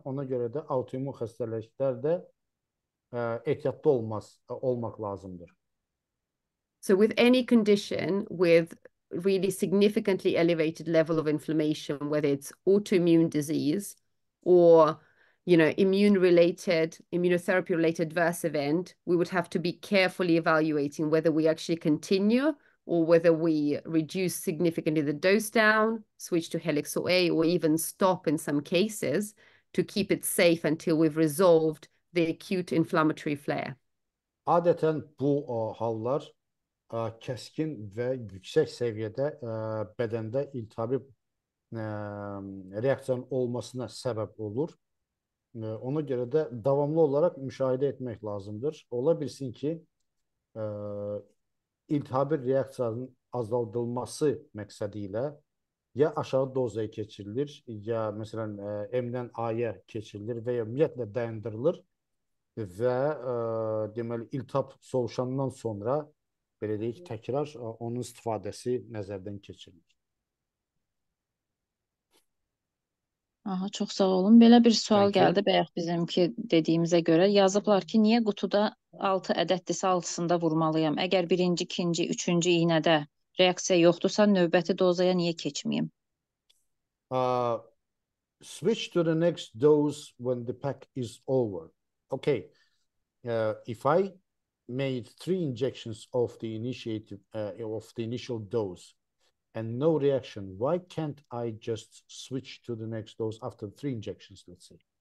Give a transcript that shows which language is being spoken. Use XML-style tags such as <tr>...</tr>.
<az>Ona görə də autoimmun xəstəliklərdə ehtiyatlı olmaq lazımdır.</az> <en>So with any condition with really significantly elevated level of inflammation, whether it's autoimmune disease or, you know, immunotherapy related adverse event, we would have to be carefully evaluating whether we actually continue or whether we reduce significantly the dose down, switch to Helixor A, or even stop in some cases to keep it safe until we've resolved the acute inflammatory flare.</en> <az>Adətən bu hallar kəskin və yüksək səviyyədə bədəndə iltihabi reaksiyanın olmasına səbəb olur. Ona görə də davamlı olaraq müşahidə etmək lazımdır. Ola bilsin ki, iltihabi reaksiyanın azaldılması məqsədilə ya aşağı dozaya keçirilir, ya məsələn M-dən A-ya keçirilir və ya ümumiyyətlə dayandırılır və deməli iltihab soluşandan sonra belə deyək, təkrar onun istifadəsi nəzərdən keçirilir. Aha, çox sağ olun. Belə bir sual</az> <en>Thank you.</en> <az>gəldi bayaq bizimki dediyimizə görə. Yazıblar ki, niyə qutuda 6 ədəddirsə 6-sında vurmalıyam? Əgər birinci, ikinci, üçüncü iğnədə reaksiya yoxdursa, növbəti dozaya niyə keçməyim?</az> <en>Switch to the next dose when the pack is over. Okay. If I made three injections of the initial dose and no reaction, why can't I just switch to the next dose after three injections, let's say?</en>